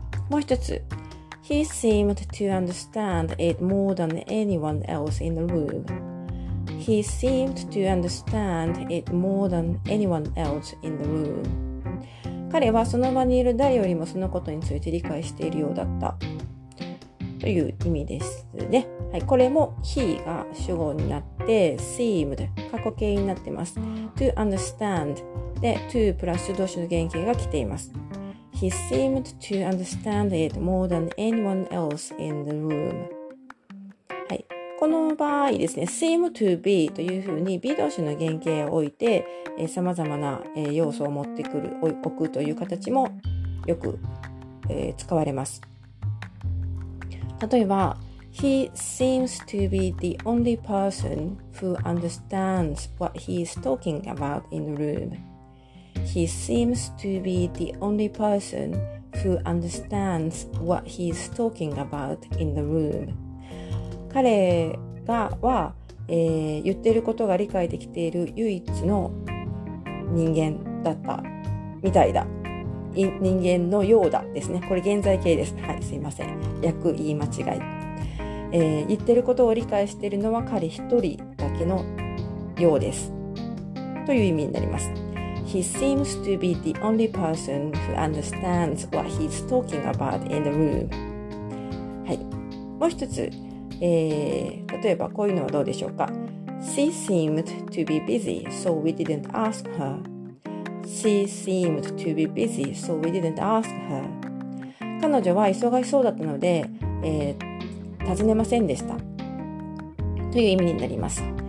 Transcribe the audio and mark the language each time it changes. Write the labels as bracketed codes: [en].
[ja] もう一つ、 [en] he seemed to understand it more than anyone else in the room. He seemed to understand it more than anyone else in the room. [ja] 彼はその場にいる誰よりもそのことについて理解しているようだった。という意味ですね。はい。これも he が主語になって seemed 過去形になっています。 to understand で to プラス動詞の原形が来ています。 [en] he seemed to understand it more than anyone else in the room。 [ja] はい。この場合ですね、seem to be というふうに be 動詞の原形を置いて、様々な要素を持ってくる、置くという形もよく、使われます。例えば、 [en] He seems to be the only person who understands what he is talking about in the room. He seems to be the only person who understands what he is talking about in the room. [ja] 彼が言っていることが理解できている唯一の人間だったみたいだ。人間のようだですね。これ現在形です。はい、すいません。訳言い間違い。言ってることを理解しているのは彼一人だけのようです。という意味になります。 [en] He seems to be the only person who understands what he's talking about in the room. [ja] はい。もう一つ、例えばこういうのはどうでしょうか。 [en] She seemed to be busy, so we didn't ask her. She seemed to be busy, so we didn't ask her. [ja] 彼女は忙しそうだったので、尋ねませんでした。という意味になります。